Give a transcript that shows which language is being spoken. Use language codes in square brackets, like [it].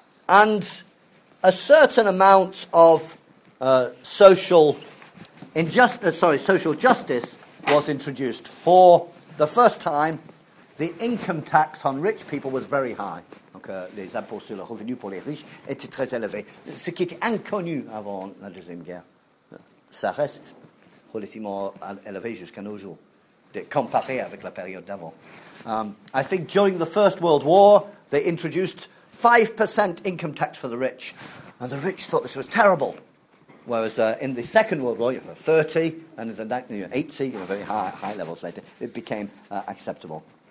[en] And a certain amount of social justice was introduced. For the first time, the income tax on rich people was very high. [fr] Donc, les impôts sur le revenu pour les riches étaient très élevés. Ce qui était inconnu avant la Deuxième Guerre, ça reste relativement élevé jusqu'à nos jours. Comparé avec la période d'avant. [en] I think during the First World War, they introduced 5% income tax for the rich. And the rich thought this was terrible. Whereas in the Second World War, you have 30, and in the 80, you know, very high levels later, it became acceptable.